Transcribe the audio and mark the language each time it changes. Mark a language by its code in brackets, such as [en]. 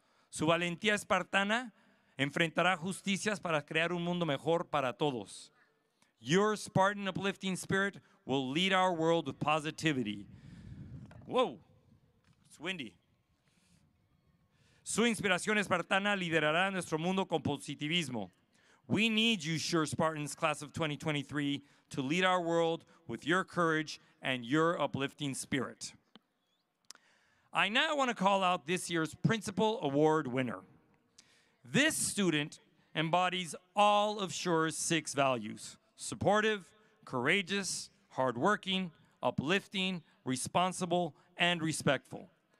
[es] Su valentía espartana enfrentará justicias para crear un mundo mejor para todos. [en] Your Spartan uplifting spirit will lead our world with positivity. Whoa, it's windy. [es] Su inspiración espartana liderará nuestro mundo con positivismo. [en] We need you, Schurr Spartans, class of 2023, to lead our world with your courage and your uplifting spirit. I now want to call out this year's Principal Award winner. This student embodies all of Schurr's six values: supportive, courageous, hardworking, uplifting, responsible, and respectful.